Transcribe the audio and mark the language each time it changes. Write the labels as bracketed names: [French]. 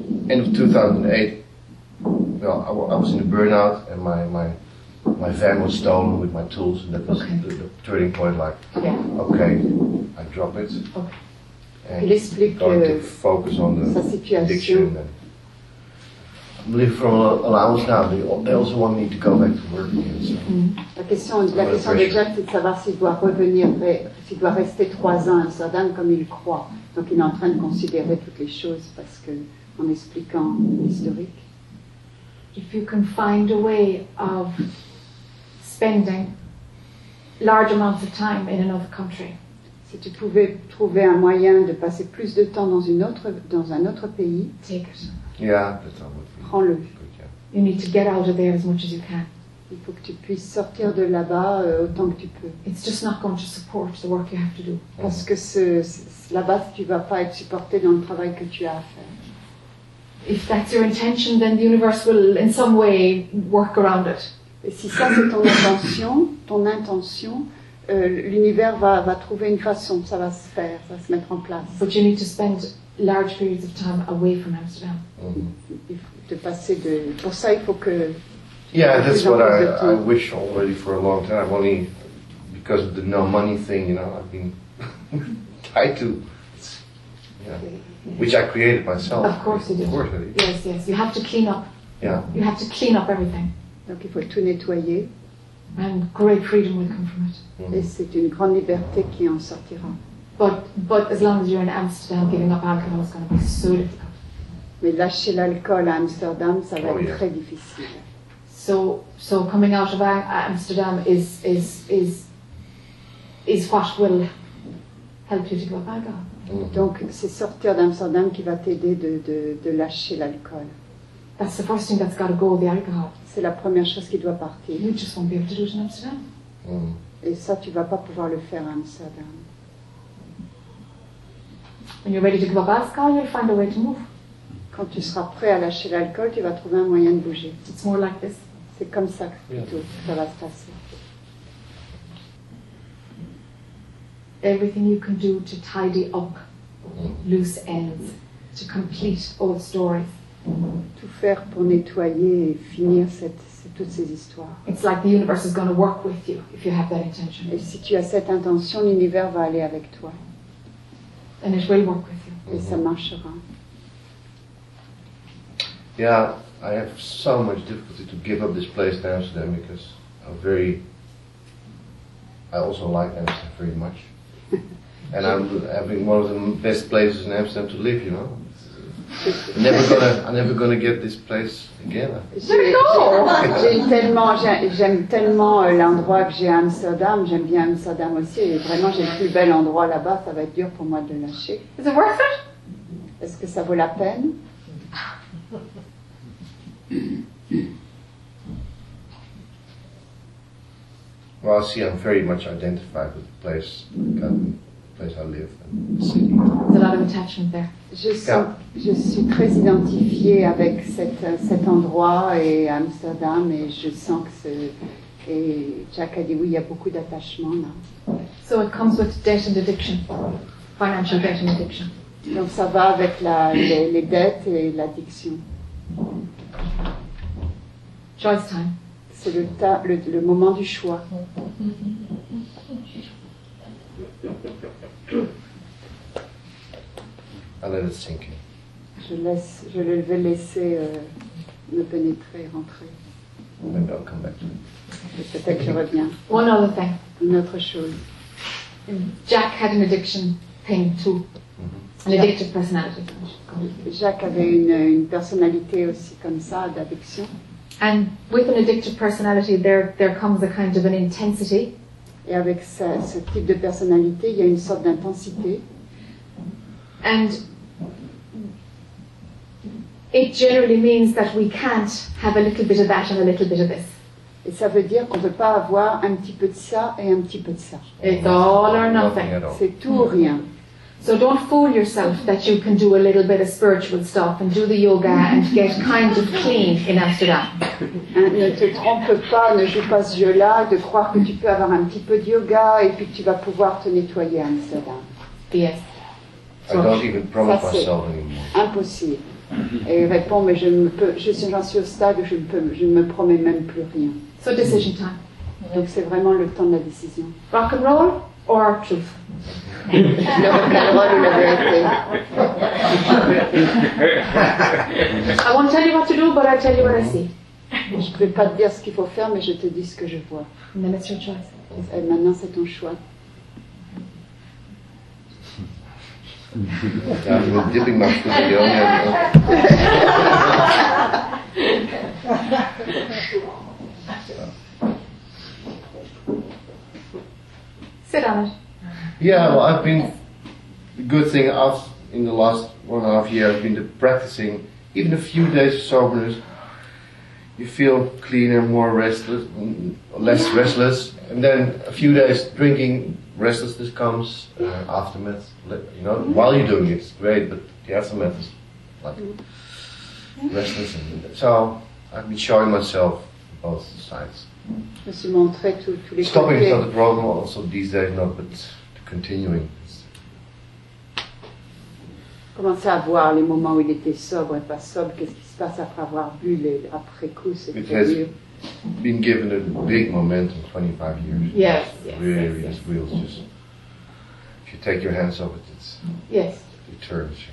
[English] End of 2008, I was in a burnout and my van was stolen with my tools, and that was the turning point. Like, yeah. Okay, I drop it. Okay. And going to focus on the addiction. I'm living from an allowance now. They also want me to go back to work again. So. Mm. [French] La question de Jeff, c'est de savoir s'il doit revenir, s'il doit rester 3 ans à Amsterdam comme il croit. Donc il est en train de considérer toutes les choses parce que. En expliquant l'historique. [English] If you can find a way of spending large amounts of time in another country. [French] Si tu pouvais trouver un moyen de passer plus de temps dans un autre pays. [English] Take it. [French] Prends-le. [English] You need to get out of there as much as you can. [French] Il faut que tu puisses sortir de là-bas autant que tu peux. [English] It's just not going to support the work you have to do. [French] Parce que là-bas, tu vas pas être supporté dans le travail que tu as à faire. [English] If that's your intention, then the universe will, in some way, work around it. [French] Et si ça c'est ton intention, l'univers va trouver une façon, ça va se faire, ça va se mettre en place. [English] But you need to spend large periods of time away from Amsterdam. [French] Mm-hmm. De passer de. Pour ça, il faut que. [English] Yeah, that's what I wish already for a long time. Only because of the no money thing, you know, I've been tied to. Which I created myself. Of course you did. Of course I did. Yes. You have to clean up. Yeah. You have to clean up everything. [French] Donc il faut tout nettoyer. [English] And great freedom will come from it. [French] Et c'est une grande liberté qui en sortira. [English] But as long as you're in Amsterdam, giving up alcohol is going to be so difficult. [French] Mais lâcher l'alcool à Amsterdam, ça va être très difficile. [English] So coming out of Amsterdam is what will help you to give up alcohol. [French] Donc c'est sortir d'Amsterdam qui va t'aider de lâcher l'alcool. [English] That's the first thing that's got to go, the alcohol. [French] C'est la première chose qui doit partir. [English] You just won't be able to do it in Amsterdam. Mm. [French] Et ça, tu vas pas pouvoir le faire à Amsterdam. [English] When you're ready to give up alcohol, you'll find a way to move. [French] Quand tu seras prêt à lâcher l'alcool, tu vas trouver un moyen de bouger. [English] It's more like this. [French] C'est comme ça plutôt que ça va se passer. [English] Everything you can do to tidy up loose ends, to complete old stories. [French] Tout faire pour nettoyer et finir toutes ces histoires. [English] It's like the universe is going to work with you if you have that intention. [French] Et si tu as cette intention, l'univers va aller avec toi. [English] And it will work with you. [French] Et ça marchera. [English] Yeah, I have so much difficulty to give up this place in Amsterdam because I also like Amsterdam very much. And I'm having one of the best places in Amsterdam to live, you know. I'm never gonna get this place again. [French] J'aime tellement l'endroit que j'ai à Amsterdam. J'aime bien Amsterdam aussi. Et vraiment, j'ai le plus bel endroit là-bas. Ça va être dur pour moi de lâcher. [English] Is it worth it? [French] Est-ce que ça vaut la peine? [English] Well, see, I'm very much identified with the place, I live, and city. There's a lot of attachment there. [French] Je suis très identifiée avec cet endroit et Amsterdam, et je sens que et Jack a dit oui, il y a beaucoup d'attachement là. [English] So it comes with debt and addiction, financial debt and addiction. [French] Donc ça va avec les dettes et l'addiction. [English] Choice time. [French] C'est le moment du choix. [English] I let it sink in. Let it sink in. [French] je vais laisser me pénétrer, rentrer. [English] Maybe I'll come back to you. [French] Peut-être que je reviens. [English] One other thing. [French] Une autre chose. [English] Jack had an addiction thing too. An addictive personality. [French] Jack avait une personnalité aussi comme ça, d'addiction. [English] And with an addictive personality, there comes a kind of an intensity. [French] Et avec ce type de personnalité, il y a une sorte d'intensité. [English] And it generally means that we can't have a little bit of that and a little bit of this. [French] Et ça veut dire qu'on ne peut pas avoir un petit peu de ça et un petit peu de ça. [English] It's all or nothing. [French] C'est tout ou rien. [English] So don't fool yourself that you can do a little bit of spiritual stuff and do the yoga and get kind of clean in Amsterdam. [French] Ne te trompe pas, ne joue pas ce jeu-là, de croire que tu peux avoir un petit peu de yoga et puis que tu vas pouvoir te nettoyer à Amsterdam. [English] Yes. I don't even promise myself anymore. Impossible. [French] Et répond, mais j'en suis au stade où je ne me promets même plus rien. [English] So decision time. [French] Donc c'est vraiment le temps de la décision. [English] Rock and roll or truth? [French] Le rock and roll ou la vérité? [English] I won't tell you what to do, but I'll tell you what I see. [French] Je ne vais pas te dire ce qu'il faut faire, mais je te dis ce que je vois. [English] Then it's your choice. [French] Et maintenant c'est ton choix. [English] I'm dipping my foot in the onion. Yes. Sit down. Yeah, well, I've been. The good thing in the last 1.5 years, I've been practicing even a few days of soberness. You feel cleaner, more restless, less restless, and then a few days drinking. Restlessness comes aftermath, you know, while you're doing it, it's great, but the aftermath is like restless. So I've been showing myself both sides. Stopping is not the problem, also these days, not, but the continuing. [French] Commencer à voir les moments où il était sobre et pas sobre, qu'est-ce qui se passe après avoir bu, après coup, c'est mieux. [English] Been given a big momentum 25 years. Yes, really, wheels. Just if you take your hands off it, it's it turns.